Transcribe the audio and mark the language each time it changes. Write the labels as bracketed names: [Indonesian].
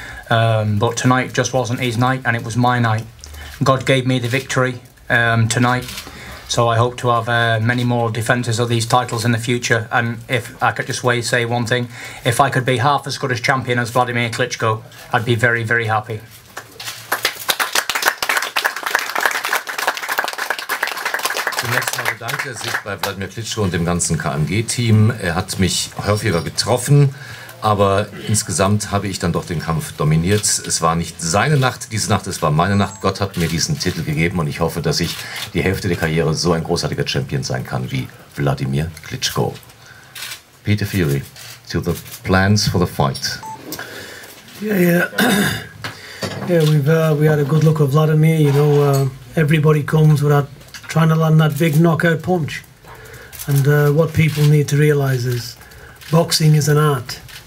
[English] But tonight just wasn't his night and it was my night. God gave me the victory tonight, so I hope to have many more defenses of these titles in the future. And if I could just say one thing, if I could be half as good a champion as Wladimir Klitschko, I'd be very, very happy. [German] Zunächst mal bedanke sich bei Wladimir Klitschko und dem ganzen KMG-Team. Er hat mich häufiger getroffen, aber insgesamt habe ich dann doch den Kampf dominiert. Es war nicht seine Nacht, diese Nacht, es war meine Nacht. Gott hat mir diesen Titel gegeben und ich hoffe, dass ich die Hälfte der Karriere so ein großartiger Champion sein kann wie Wladimir Klitschko. [English] Peter Fury, to the plans for the fight. Yeah, we had a good look at Wladimir. You know, everybody comes without trying to land that big knockout punch. And what people need to realize is boxing is an art.